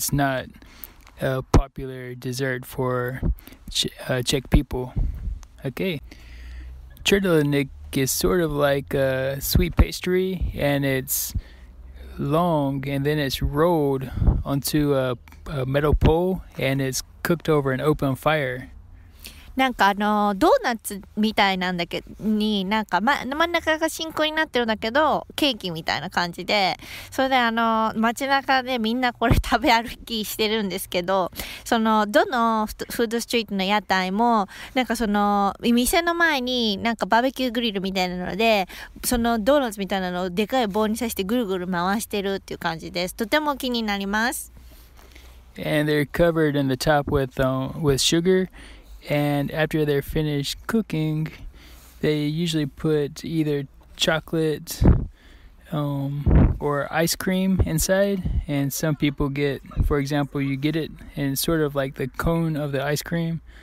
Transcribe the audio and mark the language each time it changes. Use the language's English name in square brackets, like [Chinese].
[English] It's not a popular dessert for Czech people. Okay. Trelenik is sort of like a sweet pastry, and it's long, and then it's rolled onto a metal pole, and it's cooked over an open fire. [Japanese] なんかドーナツみたいなんだけど、なんか真ん中が真空になってるんだけど、ケーキみたいな感じで、それで街中でみんなこれ食べ歩きしてるんですけど、そのどのフードストリートの屋台も、なんかその店の前になんかバーベキューグリルみたいなので、そのドーナツみたいなのをでかい棒に刺してぐるぐる回してるっていう感じです。とても気になります。 [English] And they're covered in the top with sugar. And after they're finished cooking, they usually put either chocolate or ice cream inside. And some people get, for example, you get it, and it's sort of like the cone of the ice cream.